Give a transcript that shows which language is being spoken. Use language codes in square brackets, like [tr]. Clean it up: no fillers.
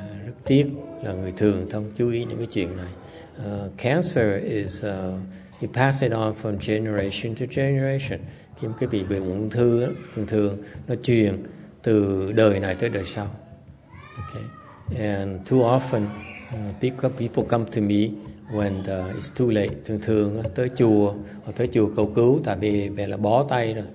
[vi] Rất tiếc là người thường không chú ý những cái chuyện này. [en] Cancer is you pass it on from generation to generation. [vi] Khi một cái bệnh ung thư thường thường nó truyền từ đời này tới đời sau. [en] Okay. And too often people come to me when it's too late. [vi] Thường thường tới chùa hoặc tới chùa cầu cứu tại vì về là bó tay rồi.